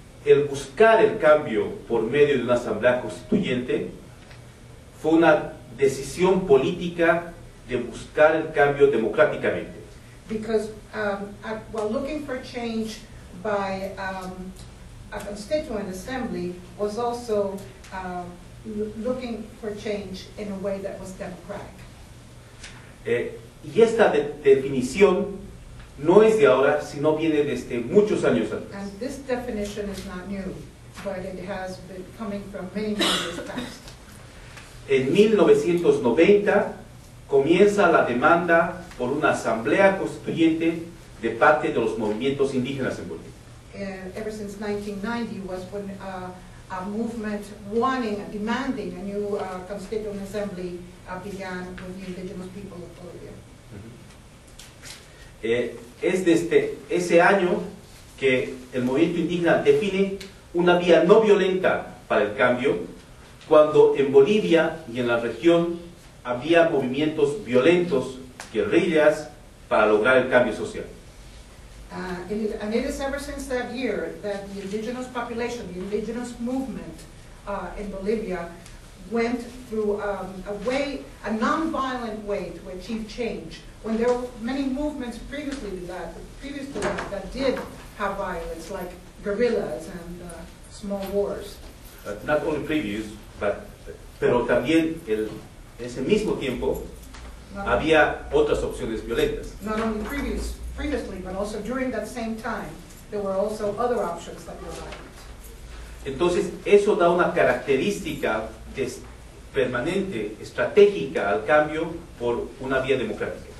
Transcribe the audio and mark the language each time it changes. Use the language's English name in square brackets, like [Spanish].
[Spanish] el buscar el cambio por medio de una asamblea constituyente fue una decisión política de buscar el cambio democráticamente. [English] Because while looking for change by a constituent assembly was also looking for change in a way that was democratic. [Spanish] Y esta definición no es de ahora, sino viene desde muchos años antes. [English] And this definition is not new, but it has been coming from many years past. [Spanish] En 1990 comienza la demanda por una asamblea constituyente de parte de los movimientos indígenas en Bolivia. [English] Ever since 1990 was when a movement wanting, demanding a new constituent assembly began with the indigenous people of Bolivia. [Spanish] Es desde ese año que el movimiento indígena define una vía no violenta para el cambio, cuando en Bolivia y en la región había movimientos violentos, guerrillas, para lograr el cambio social. [English] And it is ever since that year that the indigenous population, the indigenous movement in Bolivia went through a non-violent way to achieve change. When there were many movements previously that did have violence, like guerrillas and small wars. Not only previous, but [Spanish] pero también el ese mismo tiempo not había otras opciones violentas. [English] Not only previously, but also during that same time, there were also other options that were violent. [Spanish] Entonces eso da una característica permanente, estratégica al cambio por una vía democrática.